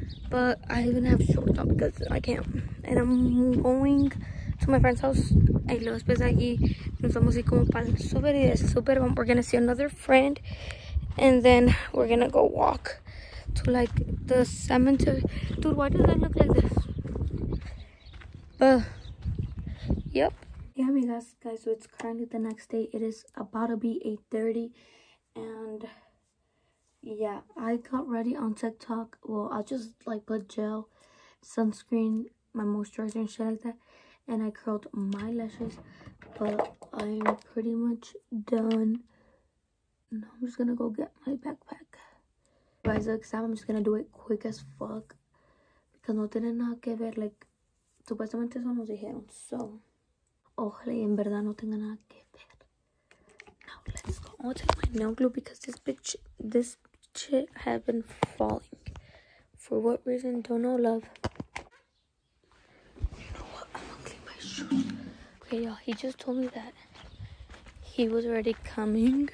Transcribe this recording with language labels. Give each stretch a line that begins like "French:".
English: But I even have shorts on because I can't. And I'm going to my friend's house.
Spanish: Y luego después aquí nos vamos a ir como para el súper y es súper.
English: We're gonna see another friend. And then we're gonna go walk to like the cemetery. Dude, why does that look like this? Yep. Yeah, amigas, guys, so it's currently the next day. It is about to be 8:30. And yeah, I got ready on TikTok. Well, I just like put gel, sunscreen, my moisturizer and shit like that. And I curled my lashes. But I'm pretty much done. Now I'm just gonna go get my backpack. Guys, the exam, I'm just gonna do it quick as fuck.
Spanish: Because no tiene nada que ver, like, supuestamente eso nos dijeron, so... Ojalá y en verdad no tenga nada que ver.
English: Now let's go. I'm gonna take my nail glue because this bitch have been falling. For what reason? Don't know, love. You know what? I'm gonna clean my shoes. Okay, y'all. He just told me that he was already coming.